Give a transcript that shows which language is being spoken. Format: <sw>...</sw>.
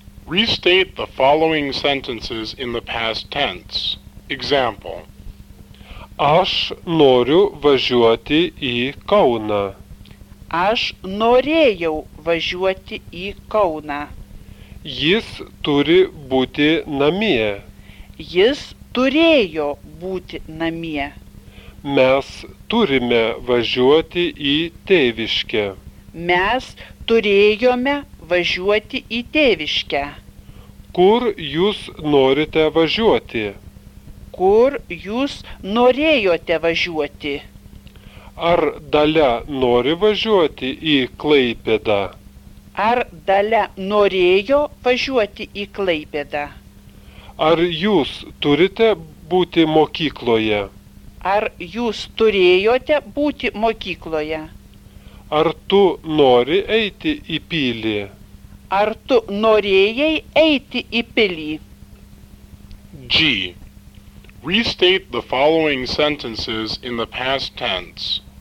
<en>Restate the following sentences in the past tense. Example.</en> <lt>Aš noriu važiuoti į Kauną. Aš norėjau važiuoti į Kauną. Jis turi būti namie. Jis turėjo būti namie. Mes turime važiuoti į tėviškę. Mes turėjome važiuoti į tėviškę. Kur jūs norite važiuoti? Kur jūs norėjote važiuoti? Ar Dalia nori važiuoti į Klaipėdą? Ar Dalia norėjo važiuoti į Klaipėdą? Ar jūs turite būti mokykloje? Ar jūs turėjote būti mokykloje? Ar tu nori eiti į pilį? Ar tu norėjai eiti į pilį?</lt> <en>G. Restate the following sentences in the past tense.</en>